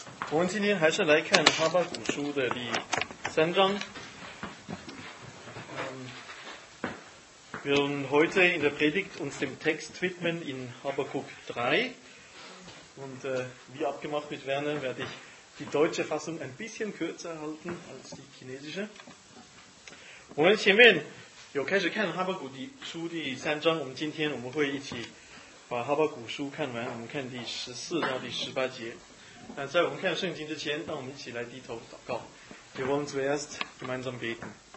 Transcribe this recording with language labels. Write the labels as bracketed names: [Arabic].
[Chinese] 我们今天还是来看哈巴谷书的第三章。 [German] Wir heute in der Predigt uns dem Text widmen in Habakkuk 3. Und wie abgemacht mit Werner, werde ich die deutsche Fassung ein bisschen kürzer halten als die chinesische. [Chinese] 我们前面有开始看哈巴谷书第三章，我们今天我们会一起把哈巴谷书看完，我们看第十四到第十八节。那在我们看圣经之前，让我们一起来低头祷告。 [German] Wir wollen zuerst gemeinsam beten。